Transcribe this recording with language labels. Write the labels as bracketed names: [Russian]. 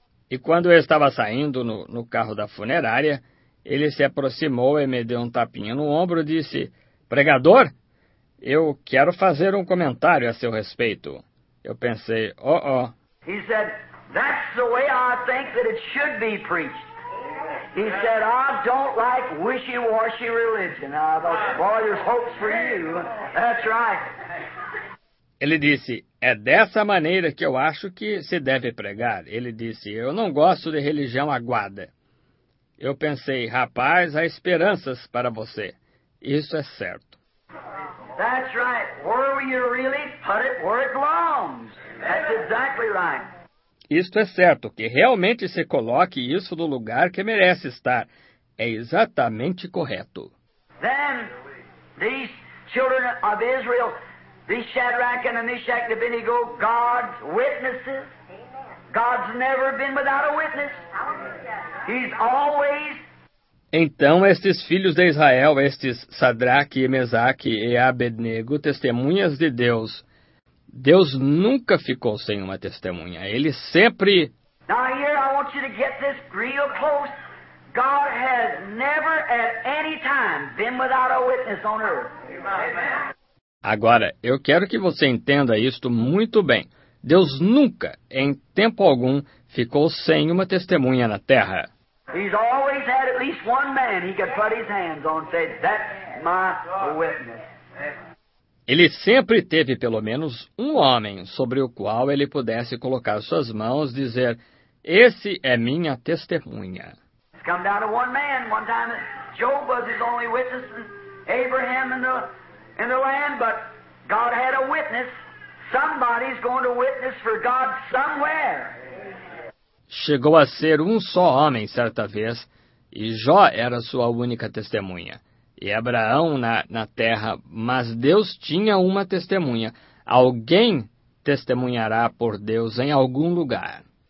[Portuguese] E quando eu estava saindo no carro da funerária, ele se aproximou e me deu um tapinha no ombro e disse, "Pregador, eu quero fazer um comentário a seu respeito." Eu pensei, "Oh." [English] He said, "That's the way I think that it should be preached." He said, "I don't like wishy-washy religion." I thought, "Boy, there's hope for you." That's right. [Portuguese] Ele disse, "É dessa maneira que eu acho que se deve pregar." Ele disse, "Eu não gosto de religião aguada." Eu pensei, "Rapaz, há esperanças para você." Isso é certo. [English] That's right. Where will you really put it where it belongs? That's exactly right. [Portuguese] Isto é certo, que realmente se coloque isso no lugar que merece estar. É exatamente correto. [English] Then these children of Israel, these Shadrach and Meshach and Abednego, God's witnesses. God's never been without a witness. He's always. [Portuguese] Então, estes filhos de Israel, estes Sadraque, Mesaque e Abednego, testemunhas de Deus, Deus nunca ficou sem uma testemunha. Ele sempre... [English] Now here, I want you to get this real close. God has never at any time been without a witness on earth. Amen. [Portuguese] Agora, eu quero que você entenda isto muito bem. Deus nunca, em tempo algum, ficou sem uma testemunha na terra. [English] He's always had at least one man he could put his hands on and say, "That's my witness." [Portuguese] Ele sempre teve pelo menos um homem sobre o qual ele pudesse colocar suas mãos e dizer, "Esse é minha testemunha." [English] It's come down to one man. One time Job was his only witness, and Abraham in the land, but God had a witness. Somebody's going to witness for God somewhere. [Portuguese] Chegou a ser um só homem certa vez, e Jó era sua única testemunha. E Abraão na terra, mas Deus tinha uma testemunha. Alguém testemunhará por Deus em algum lugar.